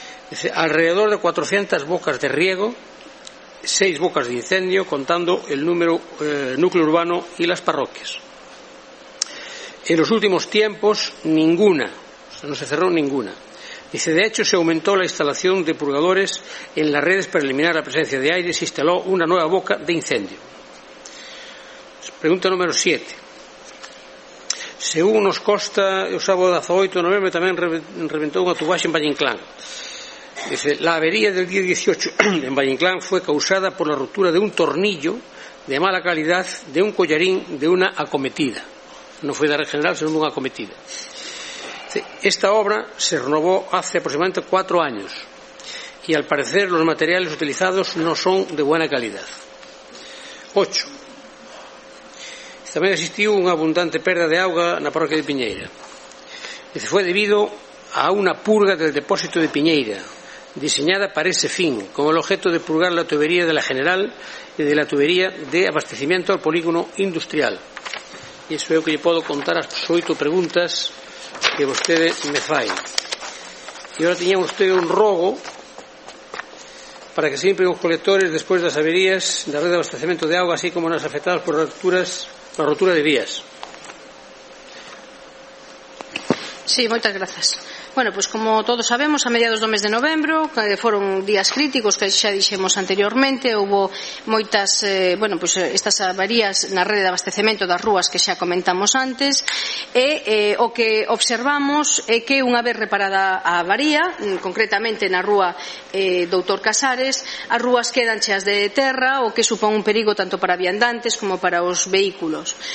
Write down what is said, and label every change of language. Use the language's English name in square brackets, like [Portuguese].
[Spanish] Dice, alrededor de 400 bocas de riego, 6 bocas de incendio, contando el número núcleo urbano y las parroquias. En los últimos tiempos, ninguna. O sea, no se cerró ninguna. Dice, de hecho, se aumentó la instalación de purgadores en las redes para eliminar la presencia de aire y se instaló una nueva boca de incendio. Pregunta número 7. [Galician] Según nos consta, o sábado 18 de novembro tamén reventou unha tubaxe en Valle Inclán. [Spanish] Dice, la avería del día 18 en Valle Inclán fue causada por la ruptura de un tornillo de mala calidad de un collarín de una acometida. No fue de red general, sino de una acometida. Esta obra se renovó hace aproximadamente 4 años y al parecer los materiales utilizados no son de buena calidad. 8. También existió una abundante pérdida de agua en la parroquia de Piñeira. Dice, fue debido a una purga del depósito de Piñeira, diseñada para ese fin, con el objeto de purgar la tubería de la general y de la tubería de abastecimiento al polígono industrial. Y eso es lo que yo puedo contar a sus 8 preguntas que usted me fai. Y ahora tenía usted un rogo para que siempre los colectores, después de las averías de la red de abastecimiento de agua, así como las afectadas por rupturas, la rotura de vías. [Galician] Sí, moitas grazas. Bueno, pues como todos sabemos, a mediados do mes de novembro foron días críticos, que xa dixemos anteriormente, houve moitas, estas avarías na rede de abastecemento das rúas que xa comentamos antes, e o que observamos é que unha vez reparada a avaría, concretamente na rúa Doutor Casares, as rúas quedan cheas de terra, o que supón un perigo tanto para viandantes como para os vehículos.